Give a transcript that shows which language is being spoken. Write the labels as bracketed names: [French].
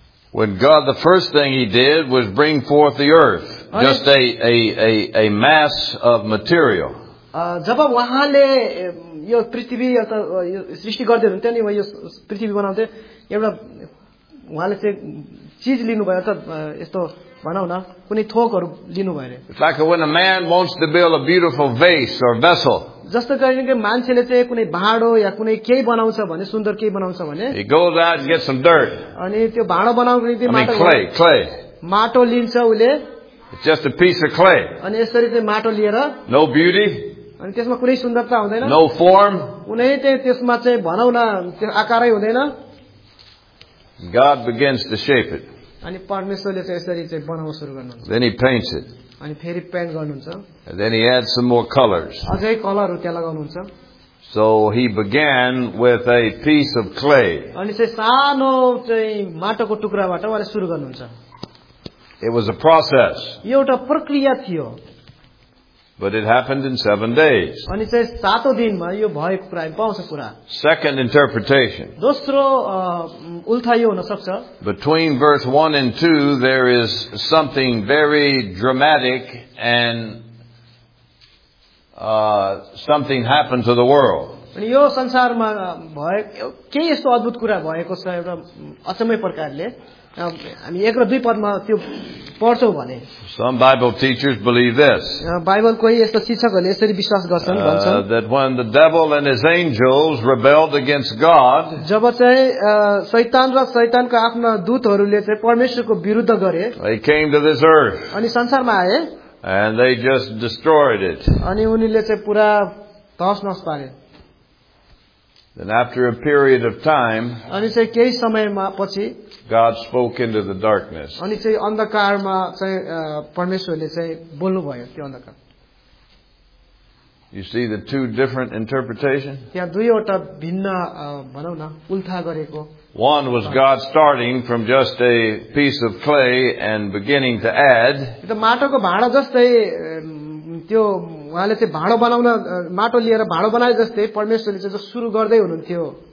[English] When God, the first thing He did was bring forth the earth, just a mass of material. [Nepali] जब उहाँले यो पृथ्वी यो सृष्टि गर्दै हुनुहुन्थ्यो नि यो पृथ्वी बनाउँथे एउटा उहाँले चाहिँ चीज लिनुभयो त यस्तो भनौ न कुनै थोकहरू लिनुभयो अरे [English] like when a man wants to build a beautiful vase or vessel. [Nepali] जस्तो गरी कि मान्छेले चाहिँ कुनै भाँडो या कुनै केही बनाउँछ भने सुन्दर केही बनाउँछ भने [English] he goes out and gets some dirt. [Nepali] अनि त्यो भाँडो बनाउनको निम्ति माटो लिन्छ उले. [English] It's just a piece of clay. [Nepali] अनि यसरी चाहिँ माटो लिएर [English] no beauty. [Nepali] अनि त्यसमा कुनै सुन्दरता हुँदैन [English] no form. [Nepali] कुनै त्यसमा चाहिँ भनौँ न त्यो आकारै हुँदैन [English] God begins to shape it. [Nepali] अनि परमेश्वरले चाहिँ यसरी चाहिँ बनाउन सुरु गर्नुहुन्छ. [English] Then he paints it. [Nepali] अनि फेरि पेंट गर्नुहुन्छ. [English] Then he adds some more colors. [Nepali] अझै कलरहरू त्यहाँ लगाउनुहुन्छ. [English] So he began with a piece of clay. [Nepali] अनि चाहिँ सानो चाहिँ माटोको टुक्राबाट उहाँले सुरु गर्नुहुन्छ. [English] It was a process. [Nepali] यो एउटा प्रक्रिया थियो. [English] But it happened in 7 days. [Nepali] अनि चाहिँ सातो दिनमा यो भए प्रायः पाउँछ कुरा. [English] Second interpretation. [Nepali] दोस्रो उल्टा यो हुन सक्छ. [English] Between verse 1 and 2 there is something very dramatic and something happened to the world. [Nepali] अनि यो संसारमा भए केही यस्तो अद्भुत कुरा भएको छ एउटा अचम्मै प्रकारले. हामी एक र दुई पदमा त्यो पढ्छौ भने. [English] Some Bible teachers believe this. [Nepali] Bible कोही यस्तो शिक्षकहरूले यसरी विश्वास गर्छन् भन्छन्. [English] That when the devil and his angels rebelled against God. [Nepali] जब चाहिँ शैतान र शैतानका आफ्ना दूतहरूले चाहिँ परमेश्वरको विरुद्ध गरे. [English] They came to this earth. [Nepali] अनि संसारमा आए. [English] And they just destroyed it. [Nepali] अनि उनीले चाहिँ पूरा धस नस पारे. [English] Then after a period of time, [Nepali] अनि चाहिँ केही समयमा पछि [English] God spoke into the darkness. [Nepali] अनि चाहिँ अन्धकारमा चाहिँ परमेश्वरले चाहिँ बोल्नु भयो त्यो अन्धकार. [English] You see the two different interpretation? [Nepali] त्यहाँ दुईवटा भिन्न भनौ न उल्टा गरेको. [English] One was God starting from just a piece of clay and beginning to add. [Nepali] त्यो माटोको भाँडा जस्तै त्यो उहाँले चाहिँ भाँडो बनाउन माटो लिएर भाँडो बनाए जस्तै परमेश्वरले चाहिँ सुरु गर्दै हुनुहुन्थ्यो.